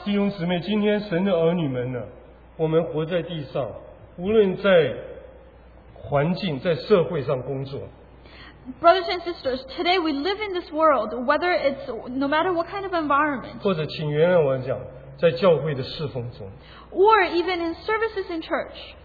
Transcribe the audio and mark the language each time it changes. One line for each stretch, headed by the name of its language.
Chinese: 弟兄姊妹, 今天神的儿女们呢, 我们活在地上, 无论在环境, 在社会上工作,
English: Brothers and sisters, today we live in this world, whether it's no matter what kind of environment,
Chinese: 或者请原谅我讲, 在教会的侍奉中,
English: or even in services in church,